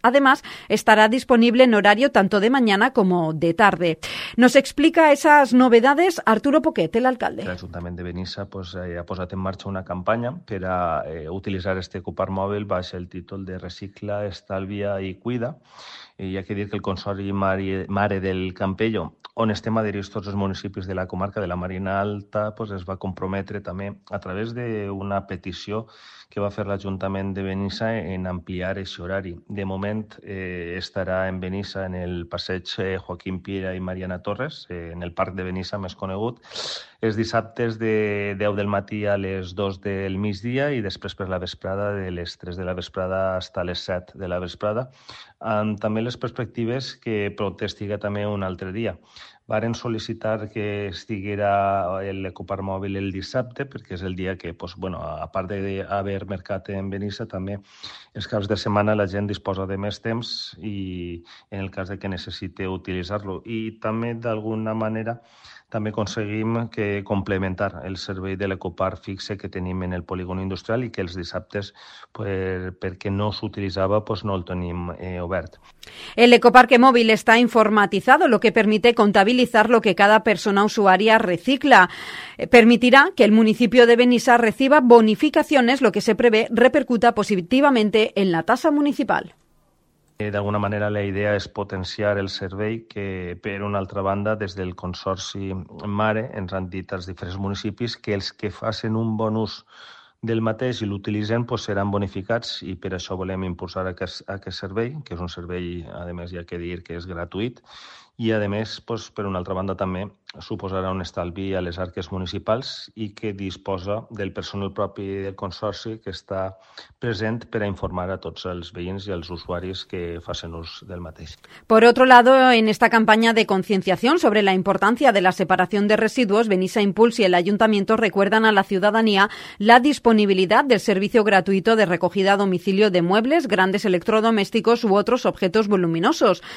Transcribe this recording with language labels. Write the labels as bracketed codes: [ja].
[es] Además, estará disponible en horario tanto de mañana como de tarde. Nos explica esas novedades Arturo Poquet, el alcalde. El Ayuntamiento de Benissa [ca] ha posat [es] en marcha una campaña para utilizar este ecopar móvil bajo el título de Recicla, Estalvia y Cuida. [ca] Hi ha que dir que el Consorci Mare del Campello, on estem adherits tots els municipis de la comarca de la Marina Alta, pues es va comprometre també a través d'una petició que va fer l'Ajuntament de Benissa en ampliar aquest horari. De moment estarà en Benissa en el passeig Joaquim Piera i Mariana Torres, en el parc de Benissa més conegut, els dissabtes de 10 del matí a les 2 del migdia i després per la vesprada de les 3 de la vesprada fins a les 7 de la vesprada, amb també les perspectives que pot estiga també un altre dia. Varen sol·licitar que estiguera l'ecopar mòbil el dissabte, perquè és el dia que, pues, bueno, a part d'haver mercat en Benissa, també els caps de setmana la gent disposa de més temps i en el cas de que necessite utilitzar-lo. I també, d'alguna manera, també aconseguim que complementar el servei de l'ecopar fixe que tenim en el polígon industrial i que els dissabtes, perquè no s'utilitzava, pues, no el tenim obert. [es] El ecoparque móvil está informatizado, lo que permite contabilizar lo que cada persona usuaria recicla. Permitirá que el municipio de Benissa reciba bonificaciones, lo que se prevé repercuta positivamente en la tasa municipal. [ca] D'alguna manera, la idea és potenciar el servei que, per una altra banda, des del Consorci Mare, ens han dit als diferents municipis que els que facin un bon ús del mateix i l'utilitzen, pues, seran bonificats, i per això volem impulsar aquest servei, que és un servei, a més, hi ha que dir que és gratuït, i a més, pues, per una altra banda, també suposarà un estalvi a les arques municipals i que disposa del personal propi del consorci que està present per a informar a tots els veïns i els usuaris que facin ús del mateix. [es] Por otro lado, en esta campaña de concienciación sobre la importancia de la separación de residuos, Benissa Impulse y el Ayuntamiento recuerdan a la ciudadanía la disponibilidad del servicio gratuito de recogida a domicilio de muebles, grandes electrodomésticos u otros objetos voluminosos.